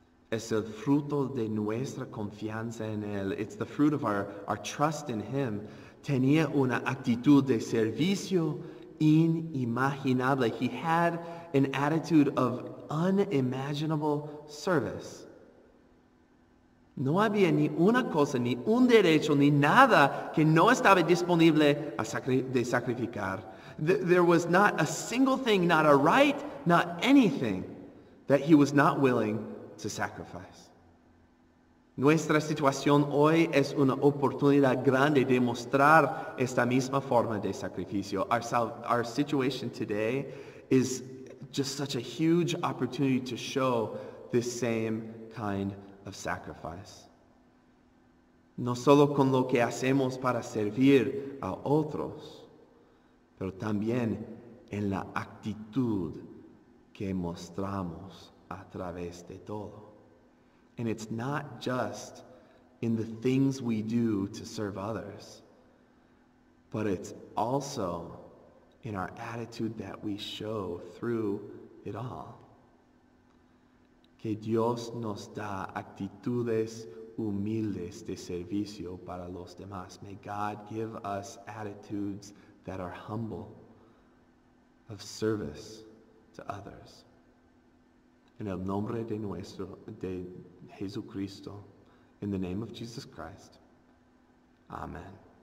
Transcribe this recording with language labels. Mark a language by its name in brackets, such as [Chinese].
[Spanish] Es el fruto de nuestra confianza en él. [English] It's the fruit of our trust in him. [Spanish] Tenía una actitud de servicio inimaginable. [English] He had an attitude of unimaginable service. [Spanish] No había ni una cosa, ni un derecho, ni nada que no estaba disponible a sacrificar. [English] There was not a single thing, not a right, not anything that he was not willing to sacrifice. [Spanish] Nuestra situación hoy es una oportunidad grande de mostrar esta misma forma de sacrificio. [English] Our situation today is just such a huge opportunity to show this same kind of sacrifice. [Spanish] No solo con lo que hacemos para servir a otros, pero también en la actitud que mostramos a través de todo. [English] And it's not just in the things we do to serve others, but it's also in our attitude that we show through it all. [Spanish] Que Dios nos da actitudes humildes de servicio para los demás. [English] May God give us attitudes that are humble, of service to others. [Spanish] In el nombre de nuestro, de Jesucristo, [English] in the name of Jesus Christ, amen.